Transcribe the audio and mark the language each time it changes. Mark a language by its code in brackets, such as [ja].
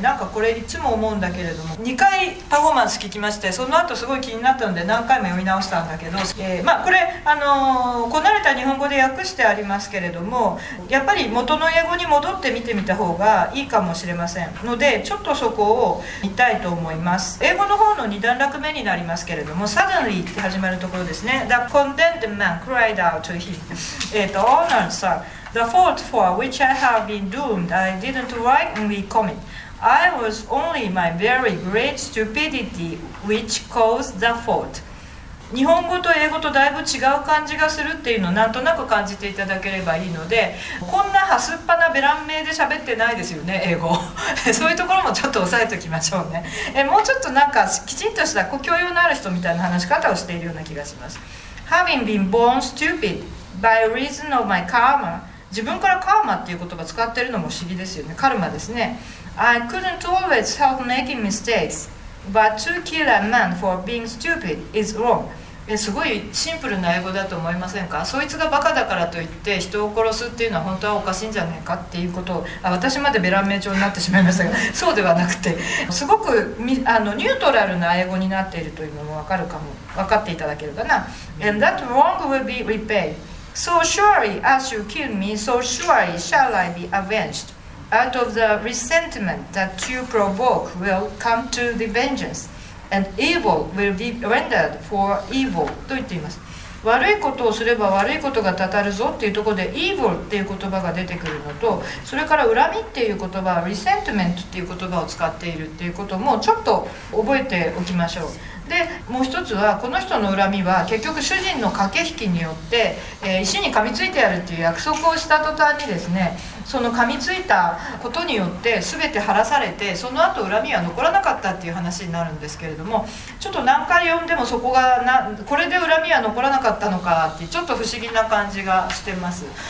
[ja] なんかこれいつも思うんだけれども、2回パフォーマンス聞きまして、その後すごい気になったので何回も読み直したんだけど、まあこれこなれた日本語で訳してありますけれども、やっぱり元の英語に戻って見てみた方がいいかもしれませんので、ちょっとそこを見たいと思います。英語の方の2段落目になりますけれども、 suddenly って始まるところですね。 [en] The condemned man cried out to him Honor sirThe fault for which I have been doomed, I didn't rightly commit. I was only my very great stupidity which caused the fault. [ja] 日本語と英語とだいぶ違う感じがするっていうのをなんとなく感じていただければいいので、こんなはすっぱなベラン名で喋ってないですよね、英語。そういうところもちょっと押さえておきましょうね。もうちょっとなんかきちんとした教養のある人みたいな話し方をしているような気がします。 [en] Having been born stupid. By reason of my karma. [ja] 自分からカーマっていう言葉使ってるのも不思議ですよね。カルマですね。 [en] I couldn't always help making mistakes, but to kill a man for being stupid is wrong. [ja] すごいシンプルな英語だと思いませんか？そいつがバカだからといって人を殺すっていうのは本当はおかしいんじゃないかっていうことを、私までベラン名調になってしまいましたがそうではなくて、すごくニュートラルな英語になっているというのも分かるかも、分かっていただけるかな。 [en] And that wrong will be repaidSo surely as you kill me, so surely shall I be avenged. Out of the resentment that you provoke will come to the vengeance, and evil will be rendered for evil. [ja] と言っています。悪いことをすれば悪いことがたたるぞっていうところで evil っていう言葉が出てくるのと、それから恨みっていう言葉、resentment っていう言葉を使っているっていうこともちょっと覚えておきましょう。でもう一つは、この人の恨みは結局主人の駆け引きによって、石に噛みついてやるっていう約束をした途端にですね、その噛みついたことによって全て晴らされて、その後恨みは残らなかったっていう話になるんですけれども、ちょっと何回読んでもそこがな、これで恨みは残らなかったのかってちょっと不思議な感じがしてます。